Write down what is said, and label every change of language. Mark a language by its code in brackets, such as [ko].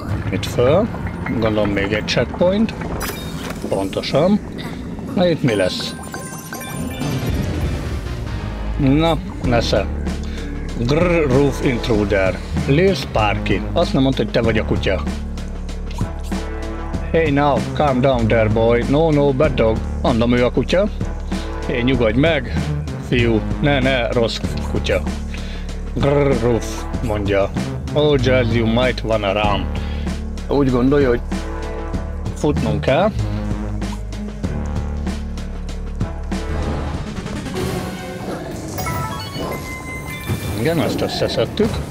[hu] Itt föl. Gondolom még egy checkpoint. Pontosan. Na itt mi lesz? Na, nesze. [en] Grr, roof intruder. Lil Sparky. [hu] Azt nem mondta, hogy te vagy a kutya. [en] Hey now, calm down there boy. No, no, bad dog. [hu] Mondom, ő a kutya. Hey, nyugodj meg, fiú. Ne, ne, rossz kutya. Grr, roof, mondja. [en] Oh, jazz, you might wanna run. [hu] Úgy gondolja, hogy futnunk kell. Igen, ezt összeszedtük.